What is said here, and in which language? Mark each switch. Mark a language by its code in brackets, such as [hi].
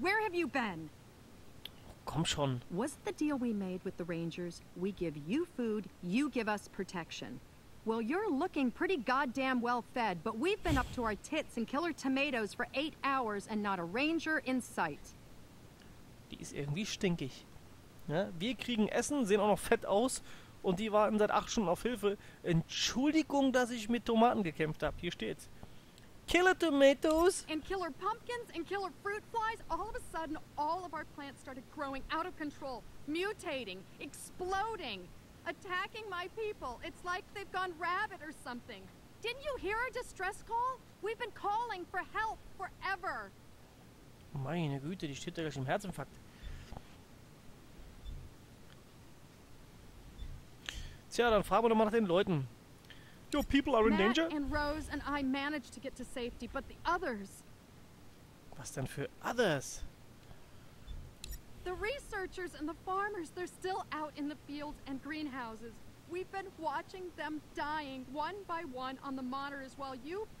[en] Where have you been? [de] Komm schon. [en] Was the deal we made with the Rangers? We give you food, you give us protection. Well, you're looking pretty goddamn well fed, but we've been up to our tits and killer tomatoes for 8 hours and not a Ranger in sight. [de] Die ist irgendwie stinkig. Ja, wir kriegen Essen, sehen auch noch fett aus. Und die warten seit 8 Stunden auf Hilfe. Entschuldigung, dass ich mit Tomaten gekämpft habe. Hier steht's. Killer Tomatoes. [en] And killer pumpkins and killer fruit flies. All of a sudden, all of our plants started growing out of control. Mutating. Exploding. Attacking my people. It's like they've gone rabid or something. Didn't you hear our distress call? We've been calling for help forever. [de] Meine Güte, die steht da gleich im Herzinfarkt. Tja, dann fragen wir doch mal nach den Leuten. [en] Your people are in danger? Matt and Rose and I managed to get to safety, but the others... [de] Was denn für others? [en] The researchers and the farmers, they're still out in the fields and greenhouses. We've been watching them dying one by one on the monitors while you